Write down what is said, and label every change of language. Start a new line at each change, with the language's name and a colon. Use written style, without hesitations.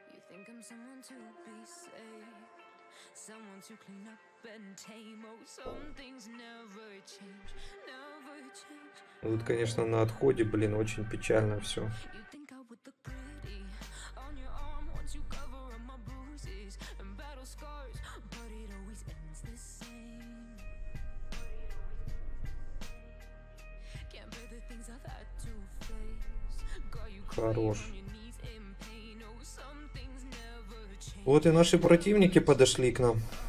English: Think I'm someone to be saved, someone to clean up and tame. Oh, some things never change, never change.
Russian: Вот, конечно, на отходе, блин, очень печально все.
English: You think I would look pretty on your arm once you cover up my bruises and battle scars, but it always ends the same. Can't bear the things I've had to face. Got you crying on your knees in pain. Oh, some things.
Russian: Вот и наши противники подошли к нам.